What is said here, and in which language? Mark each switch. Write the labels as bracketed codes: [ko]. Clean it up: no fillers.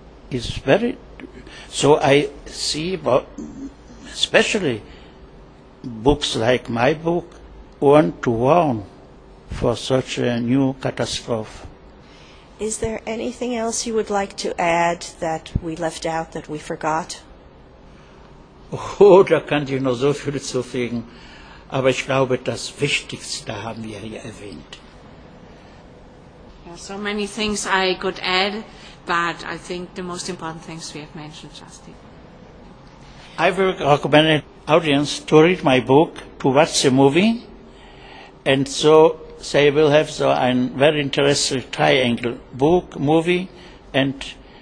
[en] It's very... So I see, especially books like my book, want to warn for such a new catastrophe. Is there anything else you would like to add that we left out, that we forgot? [de] Oh, da kann ich noch so viel zu fügen. Aber ich glaube, das Wichtigste haben wir hier erwähnt. [en] So many things I could add, but I think the most important things we have mentioned, Justin. I will recommend the audience to read my book, to watch the movie, and so they will have a very interesting triangle book, movie, and